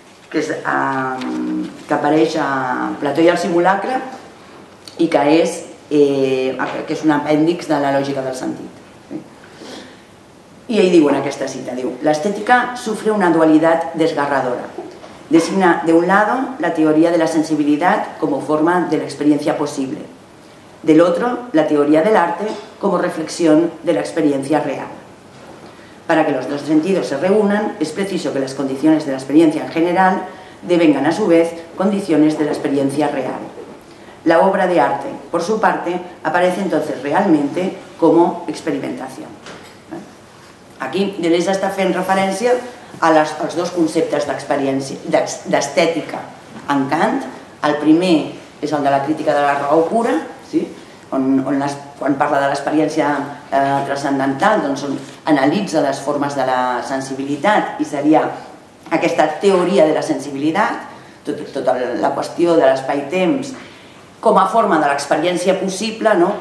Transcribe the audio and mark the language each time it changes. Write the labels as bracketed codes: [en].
[ca] que apareix a Plató i el simulacre i que és, que és un apèndix de la lògica del sentit. I ell diu en aquesta cita, diu, l'estètica sufre una dualitat desgarradora. [es] Designa de un lado la teoría de la sensibilidad como forma de la experiencia posible, del otro la teoría del arte como reflexión de la experiencia real. Para que los dos sentidos se reúnan, es preciso que las condiciones de la experiencia en general devengan a su vez condiciones de la experiencia real. La obra de arte, por su parte, aparece entonces realmente como experimentación. [ca] Aquí Deleuze està fent referència als dos conceptes d'estètica en Kant. El primer és el de la crítica de la raó pura, sí? quan parla de l'experiència transcendental, doncs on analitza les formes de la sensibilitat i seria aquesta teoria de la sensibilitat, tota la qüestió de l'espai-temps, com a forma de l'experiència possible, no?